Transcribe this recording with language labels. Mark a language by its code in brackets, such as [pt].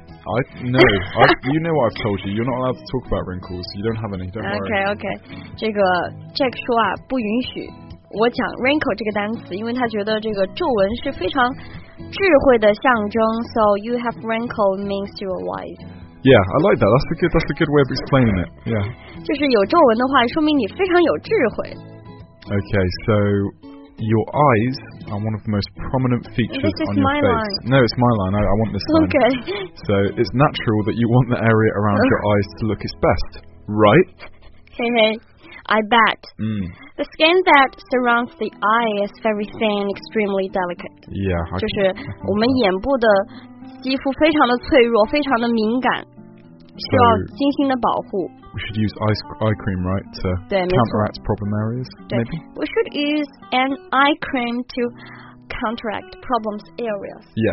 [en] You know what I've told you. You're not allowed to talk about wrinkles. You don't have any. Don't worry. Okay, okay. [zh] 这个 Jack 说啊，不允许我讲 wrinkle 这个单词，因为他觉得这个皱纹是非常。智慧的象征 [en] So you have wrinkle means you're wise. Yeah, I like that. That's a good way of explaining it. Yeah. [zh] 就是有皱纹的话，说明你非常有智慧。 [en] Okay, so your eyes are one of the most prominent features on your face. This is my line. No, it's my line. I want this line. Okay. So it's natural that you want the area around your eyes to look its best, right? Hey, I bet. The skin that surrounds the eye is very thin, extremely delicate. Yeah, [zh] 就是我们眼部的肌肤非常的脆弱，非常的敏感，需要精心的保护。 [en] We should use eye cream, right, to counteract problem areas. Maybe we should use an eye cream to counteract problems areas.